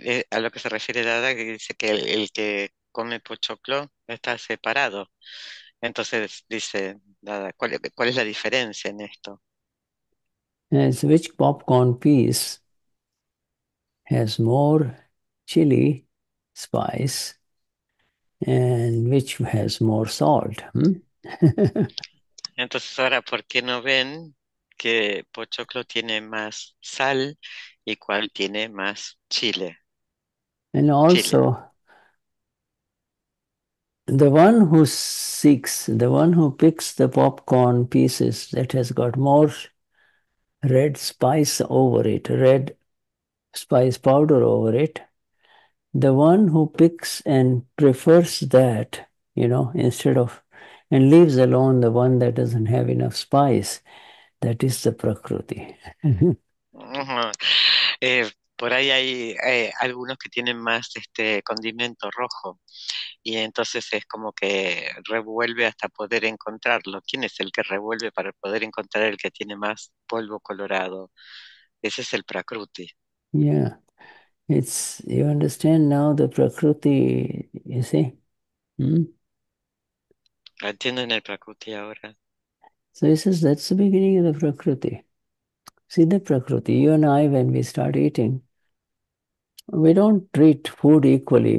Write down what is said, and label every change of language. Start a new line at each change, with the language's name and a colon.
Spanish: a lo que se refiere Dada, que dice que el que come pochoclo está separado. Entonces, dice Dada, ¿cuál es la diferencia en esto?
English: Is which popcorn piece has more chili spice and which has more salt?
Spanish: Entonces, ahora, ¿por qué no ven que pochoclo tiene más sal y cuál tiene más chile?
English: And
Spanish: Chile.
English: also, the one who seeks, the one who picks the popcorn pieces that has got more red spice over it, red spice powder over it. The one who picks and prefers that, instead of and leaves alone the one that doesn't have enough spice, that is the prakriti.
Spanish: Por ahí hay algunos que tienen más condimento rojo y entonces es como que revuelve hasta poder encontrarlo. ¿Quién es el que revuelve para poder encontrar el que tiene más polvo colorado? Ese es el prakruti.
English: It's you understand now the prakriti, you see.
Spanish: ¿Entienden el prakruti ahora?
English: So he says that's the beginning of the prakriti. See the prakriti, you and I, when we start eating, we don't treat food equally.